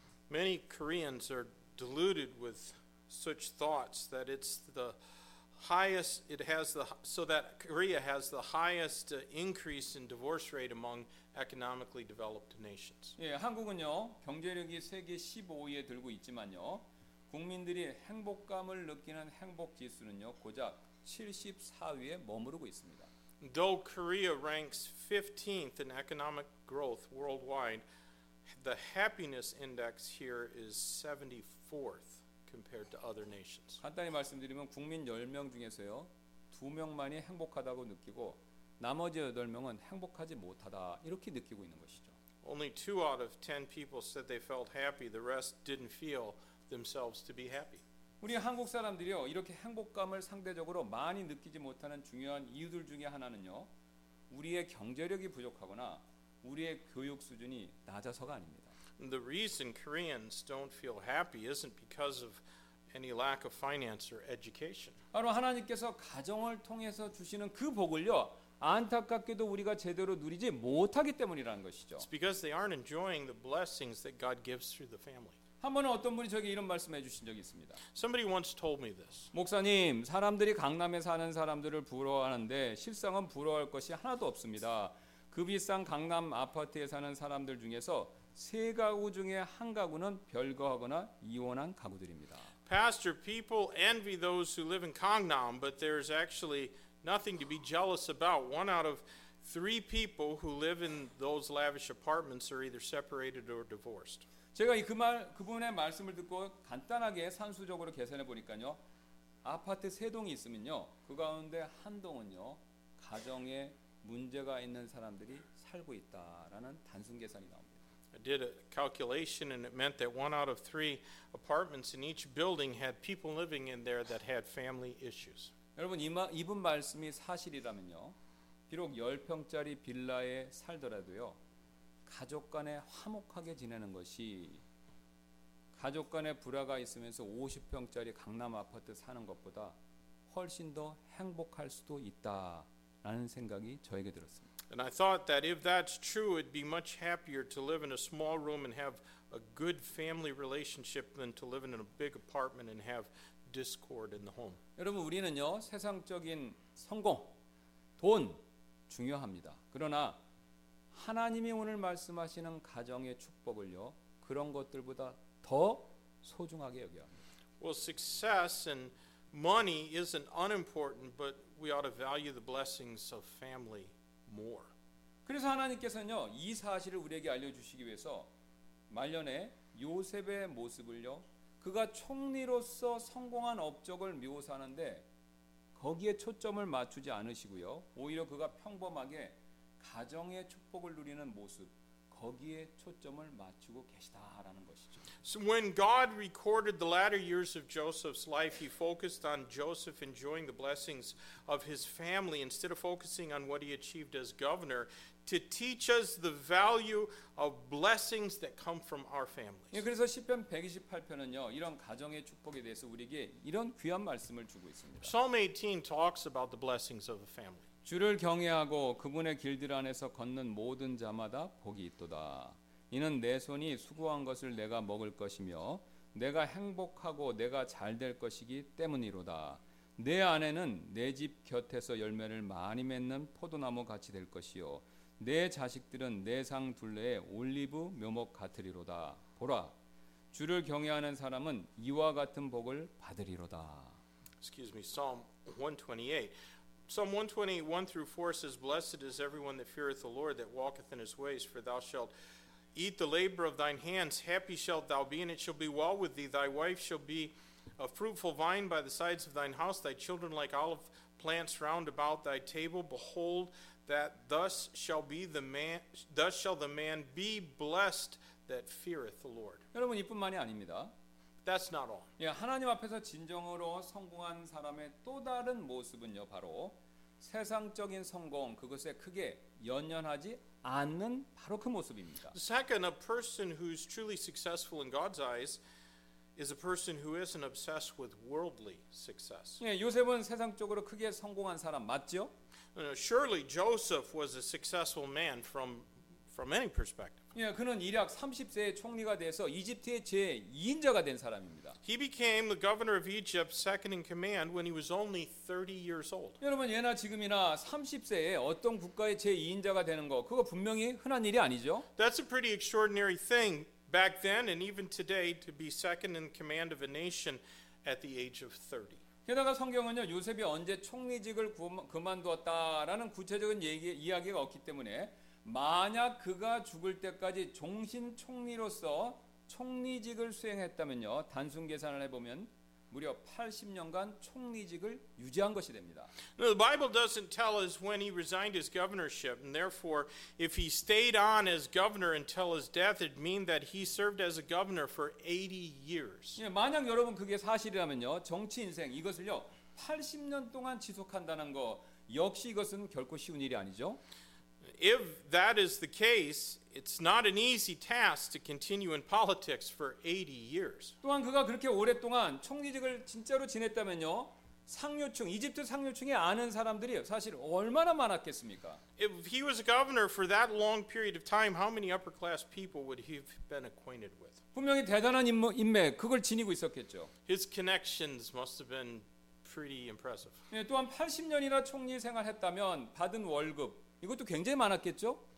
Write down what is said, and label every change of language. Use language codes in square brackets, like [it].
[en] Many Koreans are deluded with such thoughts that it's the highest, it has the, so that Korea has the highest increase in divorce rate among economically developed nations. [ko] 예, 한국은요 경제력이 세계 15위에 들고 있지만요 국민들이 행복감을 느끼는 행복지수는요 고작 74위에 머무르고 있습니다. [en] Though Korea ranks 15th in economic growth worldwide, the happiness index here is 74th compared to other nations. [ko] 간단히 말씀드리면 국민 10명 중에서요 두 명만이 행복하다고 느끼고 나머지 8명은 행복하지 못하다 이렇게 느끼고 있는 것이죠. [en] Only 2 out of 10 people said they felt happy. The rest didn't feel themselves to be happy. [ko] 우리 한국 사람들이요 이렇게 행복감을 상대적으로 많이 느끼지 못하는 중요한 이유들 중에 하나는요 우리의 경제력이 부족하거나 우리의 교육 수준이 낮아서가 아닙니다. [en] The reason Koreans don't feel happy isn't because of any lack of finance or education. [ko] 바로 하나님께서 가정을 통해서 주시는 그 복을요 안타깝게도 우리가 제대로 누리지 못하기 때문이라는 것이죠. [en] It's because they aren't enjoying the blessings that God gives through the family. [ko] 한 번은 어떤 분이 저에게 이런 말씀해 주신 적이 있습니다. [en] Somebody once told me this. [ko] 목사님, 사람들이 강남에 사는 사람들을 부러워하는데 실상은 부러워할 것이 하나도 없습니다. 급이싼 강남 아파트에 사는 사람들 중에서 세 가구 중에 한 가구는 별거하거나 이혼한 가구들입니다. [en] Pastor, people envy those who live in Gangnam, but there's actually nothing to be jealous about. One out of three people who live in those lavish apartments are either separated or divorced. [ko] 제가 그분의 말씀을 듣고 간단하게 산수적으로 계산해 보니까요, 아파트 세 동이 있으면요, 그 가운데 한 동은요, 가정에 문제가 있는 사람들이 살고 있다라는 단순 계산이 나옵니다. [en] I did a calculation and it meant that one out of three apartments in each building had people living in there that had family issues. [ko] 여러분 이분 말씀이 사실이라면요, 비록 10평짜리 빌라에 살더라도요. 가족 간에 화목하게 지내는 것이 가족 간에 불화가 있으면서 50평짜리 강남 아파트 사는 것보다 훨씬 더 행복할 수도 있다라는 생각이 저에게 들었습니다. [en] And I thought that if that's true, it'd be much happier to live in a small room and have a good family relationship than to live in a big apartment and have discord in the home. [ko] 여러분 우리는요 세상적인 성공, 돈 중요합니다. 그러나 하나님이 오늘 말씀하시는 가정의 축복을요 그런 것들보다 더 소중하게 여겨야 합니다. [en] Well, success and money isn't unimportant, but we ought to value the blessings of family more. [ko] 그래서 하나님께서는요, 이 사실을 우리에게 알려주시기 위해서 말년에 요셉의 모습을요, 그가 총리로서 성공한 업적을 묘사하는데 거기에 초점을 맞추지 않으시고요. 오히려 그가 평범하게 가정의 축복을 누리는 모습, 거기에 초점을 맞추고 계시다라는 것이죠. [en] So when God recorded the latter years of Joseph's life, he focused on Joseph enjoying the blessings of his family instead of focusing on what he achieved as governor to teach us the value of blessings that come from our families. [ko] 예, 그래서 시편 128편은요. 이런 가정의 축복에 대해서 우리에게 이런 귀한 말씀을 주고 있습니다. [en] Psalm 18 talks about the blessings of a family. [ko] 주를 경외하고 그분의 길들 안에서 걷는 모든 자마다 복이 있도다. 이는 내 손이 수고한 것을 내가 먹을 것이며 내가 행복하고 내가 잘될 것이기 때문이로다. 내 아내는 내 집 곁에서 열매를 많이 맺는 포도나무 같이 될 것이요 내 자식들은 내 상 둘레에 올리브 묘목 같으리로다. 보라, 주를 경외하는 사람은 이와 같은 복을 받으리로다. [en] Excuse me, Psalm 128. Psalm 128:1 through 4 says, Blessed is everyone that feareth the Lord, that walketh in his ways, for thou shalt eat the labor of thine hands. Happy shalt thou be, and it shall be well with thee. Thy wife shall be a fruitful vine by the sides of thine house, thy children like olive plants round about thy table. Behold, that thus shall be the man, thus shall the man be blessed that feareth the Lord. [ko] 여러분, 이뿐만이 아닙니다. [en] That's not all. [ko] 예, 하나님 앞에서 진정으로 성공한 사람의 또 다른 모습은요, 바로 세상적인 성공, 그것에 크게 연연하지 않는 바로 그 모습입니다. [en] Second, a person who's truly successful in God's eyes is a person who isn't obsessed with worldly success. [ko] 예, 요셉은 세상적으로 크게 성공한 사람 맞죠? [en] Surely Joseph was a successful man from any perspective. [ko] 예, 그는 일약 30세의 총리가 돼서 이집트의 제2인자가 된 사람입니다. [en] He became the governor of Egypt, second in command when he was only 30 years old. [ko] 여러분, 예나 지금이나 30세에 어떤 국가의 제2인자가 되는 거 그거 분명히 흔한 일이 아니죠? [en] That's a pretty extraordinary thing back then and even today to be second in command of a nation at the age of 30. [ko] 게다가 성경은요, 요셉이 언제 총리직을 그만두었다라는 구체적인 이야기가 없기 때문에 만약 그가 죽을 때까지 종신 총리로서 총리직을 수행했다면요, 단순 계산을 해보면 무려 80년간 총리직을 유지한 것이 됩니다. [en] Now, the Bible doesn't tell us when he resigned his governorship, and therefore, if he stayed on as governor until his death, it'd mean that he served as a governor for 80 years. [ko] 예, 만약 여러분 그게 사실이라면요, 정치 인생 이것을요 80년 동안 지속한다는 거 역시 이것은 결코 쉬운 일이 아니죠. [en] If that is the case, it's not an easy task to continue in politics for 80 years. [ko] 또한 그가 그렇게 오랫동안 총리직을 진짜로 지냈다면요, 상류층, 이집트 상류층에 아는 사람들이 사실 얼마나 많았겠습니까? [en] If he was a governor for that long period of time, how many upper class people would he have been acquainted with? [ko] 분명히 대단한 인맥, 그걸 지니고 있었겠죠. [en] His connections must have been pretty impressive. [ko] 예, 또한 80년이나 총리 생활했다면 받은 월급 이것도 굉장히 많았겠죠?